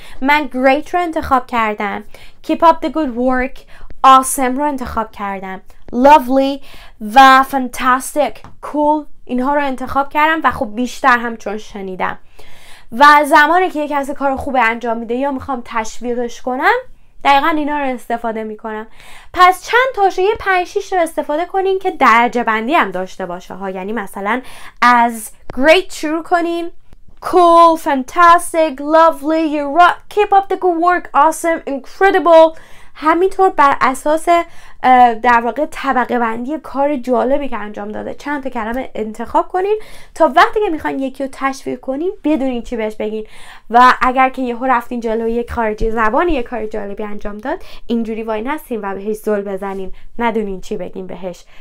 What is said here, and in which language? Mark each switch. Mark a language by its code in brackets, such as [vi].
[fa] من great رو انتخاب کردم، [en] keep up the good work، [fa] awesome رو انتخاب کردم، lovely و fantastic، cool، اینها رو انتخاب کردم و خب بیشتر هم چون شنیدم. و زمانی که یک کسی کار خوب انجام میده یا میخوام تشویقش کنم، دقیقا اینا رو استفاده میکنم. پس چند تاشو، یه 5-6 رو استفاده کنین که درجه بندی هم داشته باشه ها. یعنی مثلا از great شروع کنین. [en] Cool, fantastic, lovely, you rock, keep up the good work, awesome, incredible. [fa] همینطور بر اساس در واقع طبقه بندی کار جالبی که انجام داده چند تا کلمه انتخاب کنین تا وقتی که میخواین یکی رو تشویق کنین بدونین چی بهش بگین. و اگر که یهو رفتین جلوی یک خارجی زبانی یک کار جالبی انجام داد، اینجوری وای نستین و بهش زل بزنین، ندونین چی بگین بهش.